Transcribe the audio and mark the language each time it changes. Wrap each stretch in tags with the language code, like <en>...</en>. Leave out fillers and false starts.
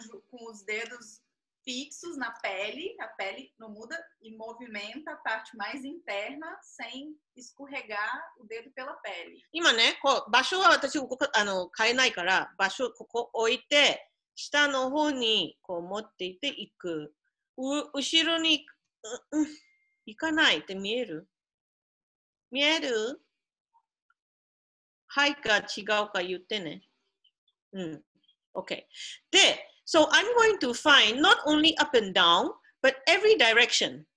<pt>Com os dedos fixos na pele, a pele não muda e movimenta a parte mais interna sem escorregar o dedo pela pele.</pt> <ja>今ね、こう場所は私動か、あの、変えないから、場所ここ置いて、下の方にこう持っていて行く。後ろに行かないって見える？見える？はいか違うか言ってね。うん。Okay.</ja> <en>で、So I'm going to find not only up and down, but every direction.</en>